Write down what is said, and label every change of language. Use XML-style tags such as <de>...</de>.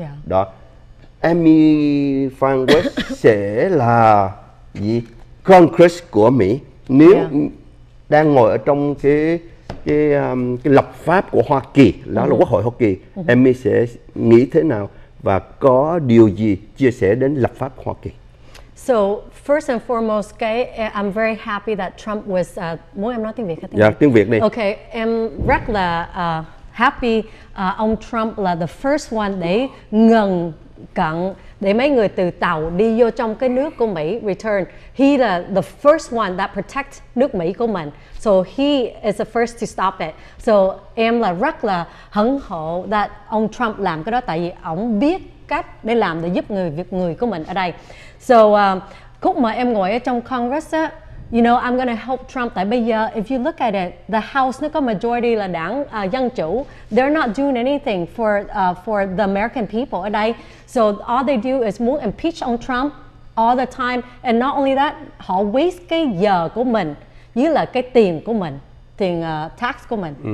<vi>Đó, Amy Fan West sẽ là gì? Congress của Mỹ. Nếu đang ngồi ở trong cái lập pháp của Hoa Kỳ, đó là Quốc hội Hoa Kỳ, Amy sẽ nghĩ thế nào và có điều gì chia sẻ đến lập pháp Hoa Kỳ?</vi> <en>So first and foremost, I'm very happy that Trump was.</en> <vi>Muốn em nói tiếng Việt không? Dạ, tiếng Việt đi. Okay, em rất là happy ông Trump là</vi> <en>the first one</en> <vi>để ngừng cận để mấy người từ tàu đi vô trong cái nước của Mỹ return.</vi> <en>He là the first one that protect</en> <vi>nước Mỹ của mình.</vi> <en>So he is the first to stop it.</en> <vi>So em là rất là hân hộ that ông Trump làm cái đó, tại vì ông biết cách để làm để giúp người Việt người của mình ở đây. So khúc mà em ngồi ở trong Congress á,</vi> <en>you know, I'm gonna help Trump.</en> <vi>Tại bây giờ,</vi> <en>if you look at it, the House</en> <vi>nó có majority là đảng Dân Chủ.</vi> <en>They're not doing anything for the American people</en> <vi>ở đây.</vi> <en>So all they do is move and impeach on Trump all the time. And not only that,</en> <vi>họ waste cái giờ của mình, như là cái tiền của mình, tiền tax của mình.</vi>